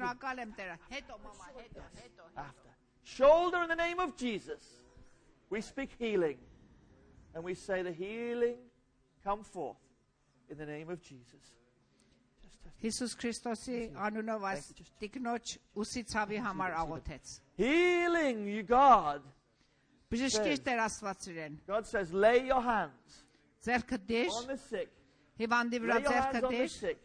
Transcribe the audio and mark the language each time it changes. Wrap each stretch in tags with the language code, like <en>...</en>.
<hy>Շնորհակալ եմ Տեր, հետո մամա, հետո։</hy> <en>Shoulder in the name of Jesus. We speak healing. And we say the healing come forth in the name of Jesus.</en> <hy>Հիսուս Քրիստոսի անունով այս տիկնոջ ուսի ցավի համար աղոթեց։</hy> <en>Healing you God.</en> <hy>Բժշկեր Տեր Աստված իրեն։</hy> <en>God says lay your hands.</en> <hy>Ձեռքդ դիշ։</hy> <en>On the sick.</en> <hy>Հիվանդի վրա ձեռքդ դիշ։</hy>